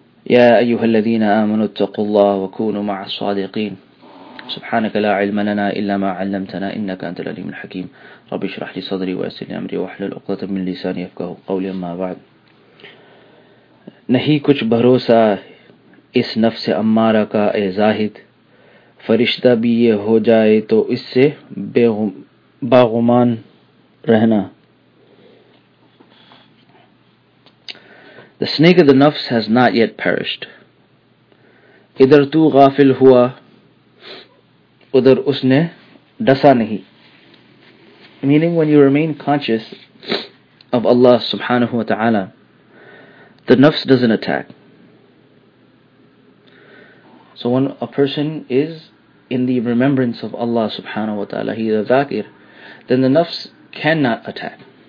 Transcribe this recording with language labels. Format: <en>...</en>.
<ar>يا أيها الذين آمنوا اتقوا الله وكونوا مع الصادقين سبحانك لا علم لنا إلا ما علمتنا إنك أنت العليم الحكيم رب اشرح لي صدري ويسر لي أمري واحلل عقدة من لساني يفقهوا قولي أما بعد</ar> <ur>نہیں کچھ بھروسہ اس نفس امارہ کا اے زاہد فرشتہ بھی یہ ہو جائے تو اس سے باغمان رہنا.</ur> <en>The snake of the nafs has not yet perished.</en> <ur>ادھر تو غافل ہوا ادھر اس نے ڈسا نہیں.</ur> <en>Meaning when you remain conscious of Allah subhanahu wa ta'ala, the nafs doesn't attack. So when a person is in the remembrance of Allah subhanahu wa ta'ala, he is a dhakir, then the nafs cannot attack.</en>